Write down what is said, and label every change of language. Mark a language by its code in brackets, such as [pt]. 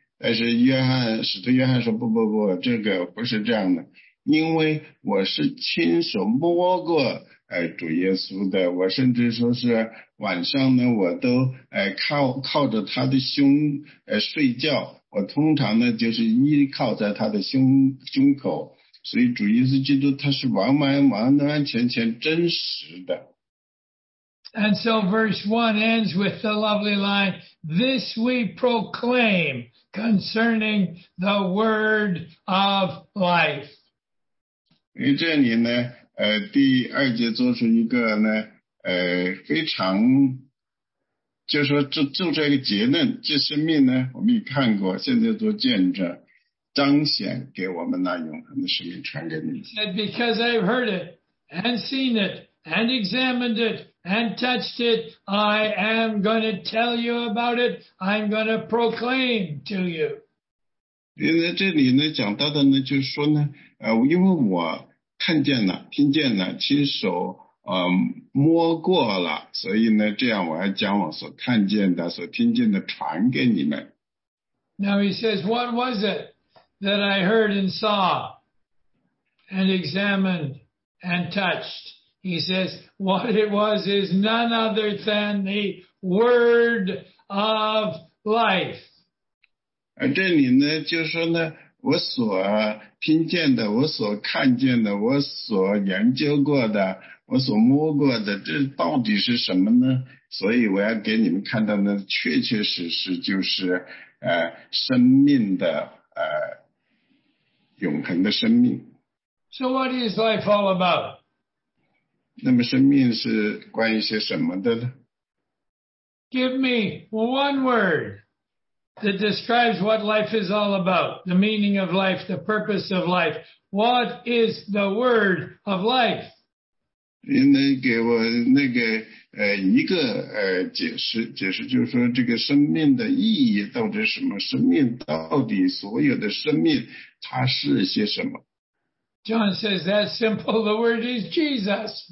[zh] 但是使徒约翰说不不不，这个不是这样的，因为我是亲手摸过主耶稣的，我甚至说是晚上呢，我都靠着他的胸睡觉，我通常呢就是依靠在他的胸口，所以主耶稣基督他是完完全全真实的。 [en] And so verse 1 ends with the lovely line, this we proclaim concerning the word of life. [zh] 因为这里呢，第二节做出一个呢，非常，就是说就这个结论，这生命呢，我们也看过，现在做见证，彰显给我们那永恒的生命，传给你。 [en] He said, because I've heard it and seen it and examined it. And touched it, I am going to tell you about it. I'm going to proclaim to you. [zh] 因为这里呢讲到的呢就是说呢因为我看见了听见了亲手摸过了，所以呢这样我要将我所看见的所听见的传给你们。 [en] Now he says, what was it that I heard and saw and examined and touched? He says, what it was is none other than the word of life. [zh] 而这里呢就是说呢，我所听见的，我所看见的，我所研究过的，我所摸过的，这到底是什么呢？所以我要给你们看到的确确实实就是生命的永恒的生命。 [en] So what is life all about? [zh] 那么生命是关于些什么的呢？ [en] Give me one word. that describes what life is all about, the meaning of life, the purpose of life. What is the word of life? [zh] 能给我一个解释，就是说这个生命的意义到底什么？生命到底所有的生命它是些什么？ [en] John says that simple. The word is Jesus.